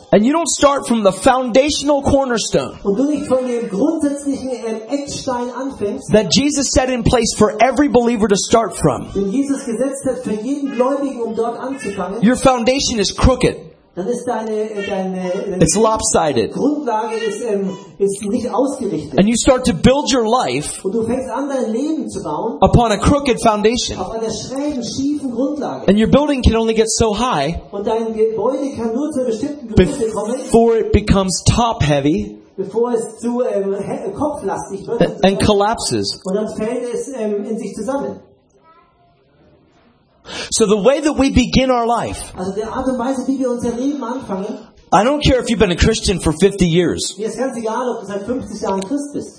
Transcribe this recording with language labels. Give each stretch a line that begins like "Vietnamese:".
English: and you don't start from the foundational cornerstone
German: und du nicht von dem grundsätzlichen Eckstein anfängst,
English: that Jesus set in place for every believer to start from,
German: den Jesus gesetzt hat für jeden Gläubigen, um dort anzufangen,
English: your foundation is crooked.
German: Dann ist deine
English: it's lopsided.
German: Grundlage ist nicht ausgerichtet.
English: And you start to build your life
German: und du fängst an, dein Leben zu bauen
English: upon a crooked foundation.
German: Auf einer schrägen, schiefen Grundlage.
English: And your building can only get so high
German: und dein Gebäude kann nur zu einer bestimmten Größe kommen,
English: before it becomes top heavy,
German: bevor es zu kopflastig wird
English: and collapses.
German: Und dann fällt es in sich zusammen.
English: So the way that we begin our life,
German: also der Art und Weise, wie wir unser Leben anfangen,
English: I don't care if you've been a Christian for 50 years.
German: Mir ist ganz egal, ob du seit 50 Jahren Christ bist.